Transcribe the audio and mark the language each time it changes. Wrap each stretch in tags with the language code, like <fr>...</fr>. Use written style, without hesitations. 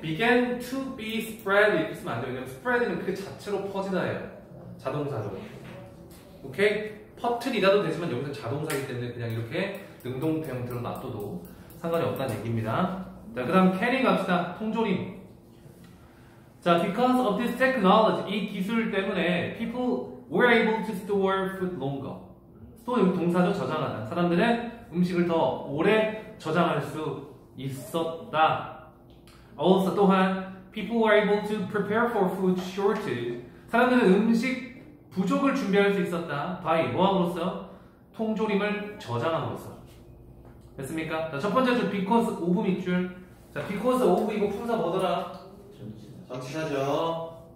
<ko>began to be spread 이렇게 쓰면 안 돼요. 왜냐면 spread는 그 자체로 퍼지다예요. 자동사로. 오케이? 퍼트리다도 되지만 여기서 자동사이기 때문에 그냥 이렇게 능동태 형태로 놔둬도 상관이 없다는 얘기입니다. 자, 그 다음 can이 갑시다. 통조림.</ko> <en>자, because of this technology,</en> <ko>이 기술 때문에</ko> <en>people were able to store food longer.</en> <ko>store 동사죠. 저장하다. 사람들은 음식을 더 오래 저장할 수 있었다.</ko> <en>also</en> <ko>또한</ko> <en>people were able to prepare for food shortage.</en> <ko>사람들은 음식 부족을 준비할 수 있었다. by 뭐함으로써? 통조림을 저장함으로써. 됐습니까? 자, 첫 번째 줄 because of 밑줄. 자, because of 이거 품사 뭐더라? 전치사죠.</ko>